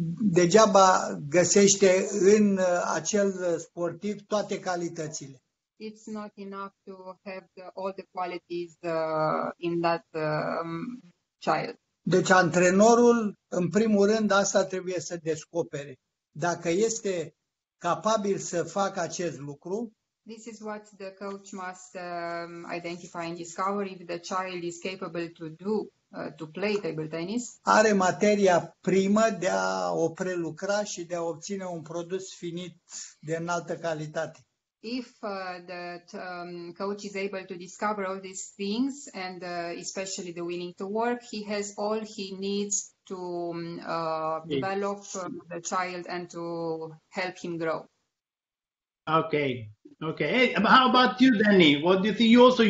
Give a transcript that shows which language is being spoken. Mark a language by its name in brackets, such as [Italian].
[Romanian] degeaba găsește în acel sportiv toate calitățile. [English] It's not enough to have all the qualities in that child. [Romanian] Deci antrenorul, în primul rând, asta trebuie să descopere. Dacă este capabil să facă acest lucru, [English] this is what the coach must identify and discover if the child is capable to do to play table tennis. [Romanian] Are materia primă de a o prelucra și de a obține un produs finit de înaltă calitate. [English] If coach is able to discover all these things and especially the willing to work, he has all he needs to develop the child and to help him grow. Okay. Okay. Hey, how about you, Danny? What do you think?